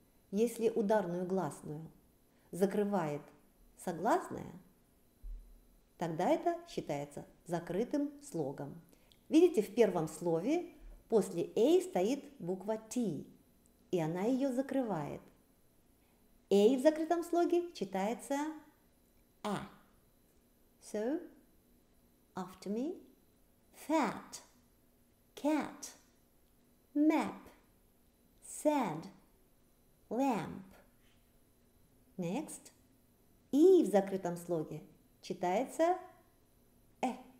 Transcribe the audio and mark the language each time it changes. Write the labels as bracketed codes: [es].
[ru] Если ударную гласную закрывает согласная, тогда это считается закрытым слогом. Видите, в первом слове после A стоит буква T, и она ее закрывает. A в закрытом слоге читается A. [en] So, after me, fat, cat, map, sad, lamp. [ru] Next, E в закрытом слоге читается E.